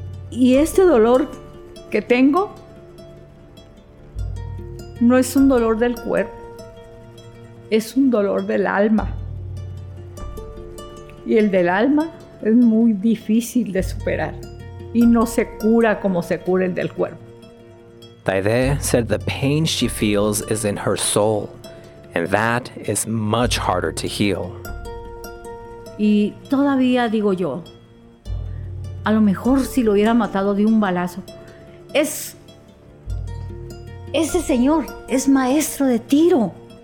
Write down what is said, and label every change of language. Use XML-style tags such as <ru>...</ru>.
<es>Y este dolor que tengo no es un dolor del cuerpo, es un dolor del alma. Y el del alma es muy difícil de superar y no se cura como se cura el del cuerpo.</es> <en>Taide said the pain she feels is in her soul, and that is much harder to heal.</en> <es>Y todavía digo yo, a lo mejor si lo hubiera matado de un balazo, ese señor es maestro de tiro.</es>